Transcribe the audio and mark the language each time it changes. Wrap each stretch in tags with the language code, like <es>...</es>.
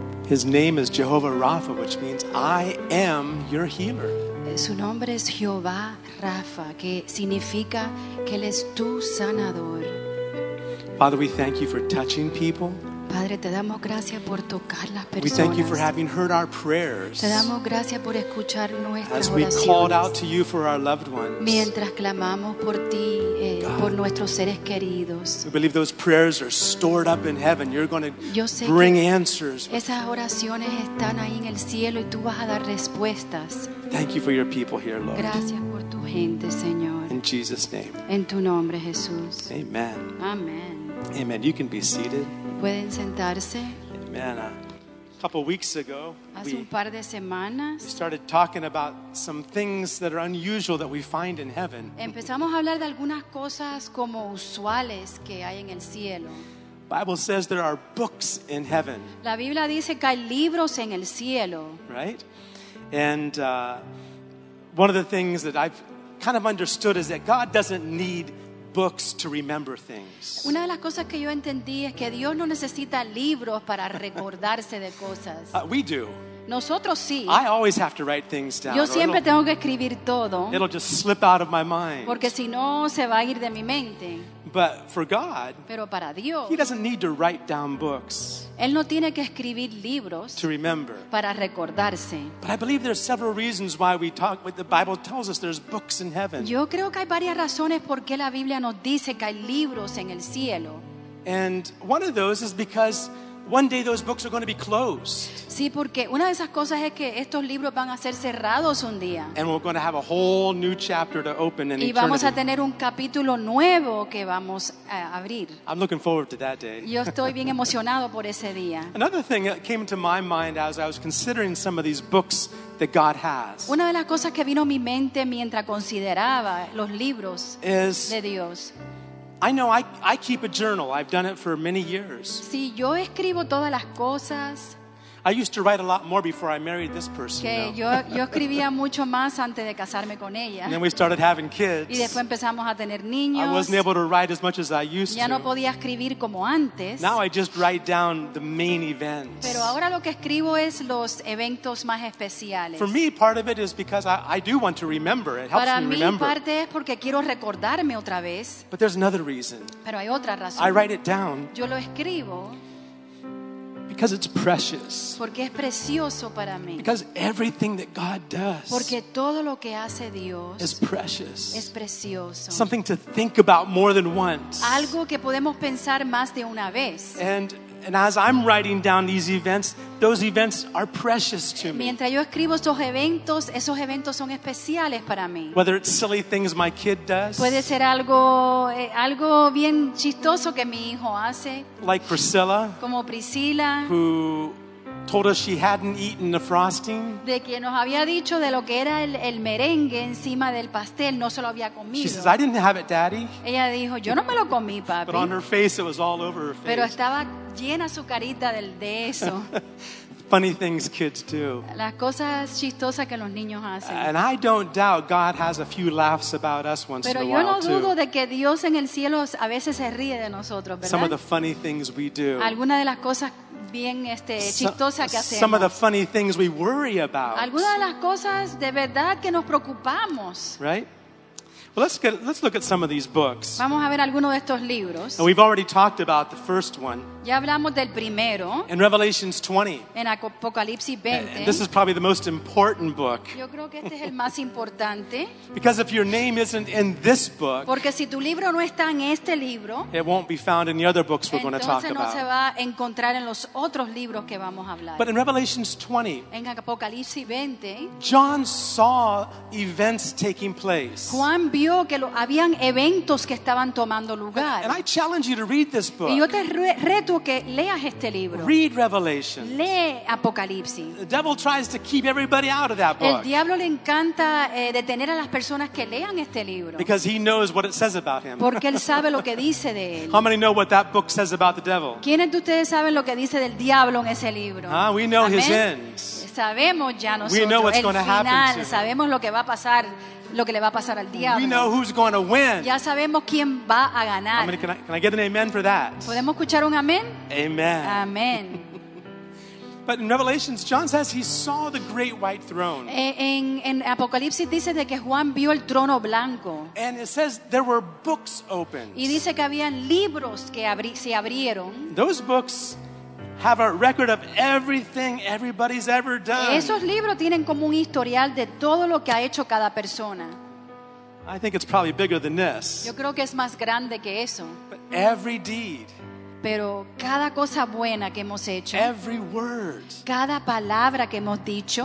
<en>His name is Jehovah Rapha, which means I am your healer.</en> <es>Su nombre es Jehová Rapha, que significa que Él es tu sanador.</es> <en>Father, we thank you for touching people.</en> <es>Padre, te damos gracias por tocar las personas.</es> <en>We thank you for having heard our prayers.</en> <es>Te damos gracias por escuchar nuestras oraciones.</es> <en>As we called out to you for our loved ones.</en> <es>Mientras clamamos por ti, por nuestros seres queridos.</es> <en>We believe those prayers are stored up in heaven. You're going to bring answers.</en> <es>Esas oraciones están ahí en el cielo y tú vas a dar respuestas.</es> <en>Thank you for your people here, Lord.</en> <es>Gracias por tu gente, Señor.</es> <en>In Jesus' name.</en> <es>En tu nombre, Jesús.</es> <en>Amen. Amen. Amen. You can be seated.</en> <es>Pueden sentarse.</es> <en>Amen. A couple weeks ago,</en> <es>hace un par de semanas,</es> <en>we started talking about some things that are unusual that we find in heaven.</en> <es>Empezamos a hablar de algunas cosas como usuales que hay en el cielo.</es> <en>Bible says there are books in heaven.</en> <es>La Biblia dice que hay libros en el cielo.</es> <en>Right? And one of the things that I've kind of understood is that God doesn't need books to remember things.</en> <es>Una de las cosas que yo entendí es que Dios no necesita libros para recordarse de cosas.</es> <en>We do.</en> <es>Nosotros sí.</es> <en>I always have to write things down.</en> <es>Yo siempre tengo que escribir todo.</es> <en>It'll just slip out of my mind.</en> <es>Porque si no, se va a ir de mi mente.</es> <en>But for God,</en> <es>pero para Dios,</es> <en>He doesn't need to write down books.</en> <es>Él no tiene que escribir libros</es> <en>to remember.</en> <es>Para recordarse.</es> <en>But I believe there are several reasons why we talk. What the Bible tells us, there's books in heaven.</en> <es>Yo creo que hay varias razones por qué la Biblia nos dice que hay libros en el cielo.</es> <en>And one of those is because one day those books are going to be closed.</en> <es>Sí, porque una de esas cosas es que estos libros van a ser cerrados un día.</es> <en>And we're going to have a whole new chapter to open in eternity.</en> <es>Y vamos a tener un capítulo nuevo que vamos a abrir.</es> <en>I'm looking forward to that day.</en> <es>Yo estoy bien emocionado por ese día.</es> <en>Another thing that came to my mind as I was considering some of these books that God has.</en> <es>Una de las cosas que vino a mi mente mientras consideraba los libros de Dios.</es> <en>I know I keep a journal. I've done it for many years.</en> <es>Sí, yo escribo todas las cosas.</es> <en>I used to write a lot more before I married this person.</en> <es>Que yo escribía mucho más antes de casarme con ella.</es> <en>And then we started having kids.</en> <es>Y después empezamos a tener niños.</es> <en>I wasn't able to write as much as I used to.</en> <es>Ya no podía escribir como antes.</es> <en>Now I just write down the main events.</en> <es>Pero ahora lo que escribo es los eventos más especiales.</es> <en>For me, part of it is because I do want to remember. It helps</en> <es>para</es> <en>me remember.</en> <es>Para mí, parte es porque quiero recordarme otra vez.</es> <en>But there's another reason.</en> <es>Pero hay otra razón.</es> <en>I write it down.</en> <es>Yo lo escribo.</es> <en>Because it's precious.</en> <es>Porque es precioso para mí.</es> <en>Because everything that God does.</en> <es>Porque todo lo que hace Dios</es> <en>is precious.</en> <es>Es precioso.</es> <en>Something to think about more than once.</en> <es>Algo que podemos pensar más de una vez.</es> <en>And as I'm writing down these events, those events are precious to me.</en> <es>Mientras yo escribo esos eventos son especiales para mí.</es> <en>Whether it's silly things my kid does.</en> <es>Puede ser algo bien chistoso que mi hijo hace.</es> <en>Like Priscilla.</en> <es>Como Priscila.</es> <en>Who told us she hadn't eaten the frosting.</en> <es>De quien nos había dicho de lo que era el merengue encima del pastel, no se lo había comido.</es> <en>She says, I didn't have it, Daddy.</en> <es>Ella dijo, yo no me lo comí, papi.</es> <en>But on her face, it was all over her face.</en> <es>Pero estaba llena su carita de eso.</es> <en>Funny things kids do.</en> <es>Las cosas chistosas que los niños hacen.</es> <en>And I don't doubt God has a few laughs about us once</en> <es>pero</es> <en>in a</en> <es>yo no</es> <en>while</en> <es>dudo</es> <en>too.</en> <es>De que Dios en el cielo a veces se ríe de nosotros, ¿verdad?</es> <en>Some of the funny things we do.</en> <es>Algunas de las cosas bien chistosa que hacemos.</es> <en>Some of the funny things we worry about.</en> <es>Algunas de las cosas de verdad que nos preocupamos.</es> <en>Right? Well, let's look at some of these books.</en> <es>Vamos a ver algunos de estos libros.</es> <en>And we've already talked about the first one.</en> <es>Ya hablamos del primero.</es> <en>In Revelation 20.</en> <es>En Apocalipsis 20.</es> <en>And this is probably the most important book.</en> <es>Yo creo que este es el más importante.</es> <en>Because if your name isn't in this book.</en> <es>Porque si tu libro no está en este libro.</es> <en>It won't be found in the other books we're going to talk about.</en> <es>Entonces no se va a encontrar en los otros libros que vamos a hablar.</es> <en>But in Revelation 20.</en> <es>En Apocalipsis 20.</es> <en>John saw events taking place.</en> <es>Juan vio que habían eventos que estaban tomando lugar.</es> <en>And I challenge you to read this book.</en> <es>Y yo te reto que leas este libro.</es> <en>Read Revelation.</en> <es>Lee Apocalipsis.</es> <en>The devil tries to keep everybody out of that book.</en> <es>El diablo le encanta detener a las personas que lean este libro.</es> <en>Because he knows what it says about him.</en> <es>Porque él sabe lo que dice de él.</es> <en>How many know what that book says about the devil?</en> <es>¿Quiénes de ustedes saben lo que dice del diablo en ese libro?</es> <en>Ah, we know his end.</en> <es>Sabemos ya nosotros el final. Sabemos lo que va a pasar. Lo que le va a pasar al diablo.</es> <en>We know who's going to win.</en> <es>Ya sabemos quién va a ganar.</es> <en>Can I get an amen for that?</en> <es>¿Podemos escuchar un amén?</es> <en>Amen.</en> <es>Amén.</es> <en>But in Revelations, John says he saw the great white throne.</en> <es>En Apocalipsis dice de que Juan vio el trono blanco.</es> <en>And it says there were books opened.</en> <es>Y dice que habían libros que se abrieron.</es> <en>Those books have a record of everything everybody's ever done.</en> <es>Esos libros tienen como un historial de todo lo que ha hecho cada persona.</es> <en>I think it's probably bigger than this.</en> <es>Yo creo que es más grande que eso.</es> <en>But every deed.</en> <es>Pero cada cosa buena que hemos hecho.</es> <en>Every word.</en> <es>Cada palabra que hemos dicho.</es>